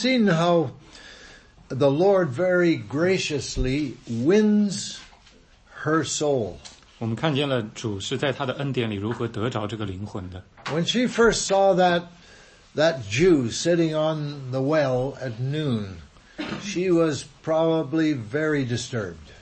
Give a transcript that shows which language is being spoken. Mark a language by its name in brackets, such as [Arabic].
[English] seen how the Lord very graciously wins her soul. [Chinese] 我们看见了主是在他的恩典里如何得着这个灵魂的。When [English] she first saw that Jew sitting on the well at noon, she was probably very disturbed.